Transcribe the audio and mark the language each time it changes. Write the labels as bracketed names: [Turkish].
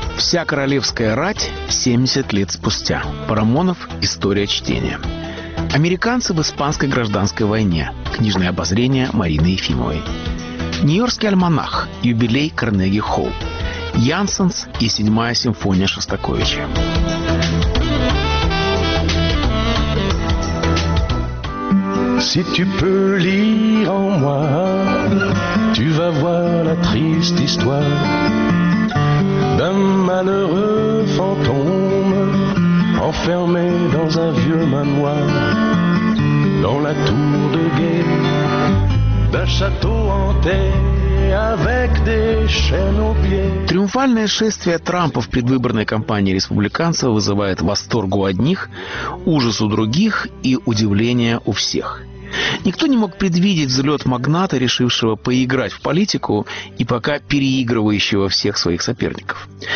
[Russian] Вся королевская рать 70 лет спустя. Парамонов. История чтения. Американцы в испанской гражданской войне. Книжное обозрение Марины Ефимовой. Нью-Йоркский альманах. Юбилей Карнеги Холл. Янсенс и седьмая симфония Шостаковича. [French] Si tu peux lire en moi, tu vas voir la triste histoire d'un malheureux fantôme enfermé dans un vieux manoir dans la tour de guet d'un château hanté. [Russian] Триумфальное шествие Трампа в предвыборной кампании республиканцев вызывает восторг у одних, ужас у других и удивление у всех. Никто не мог предвидеть взлет магната, решившего поиграть в политику и пока переигрывающего всех своих соперников.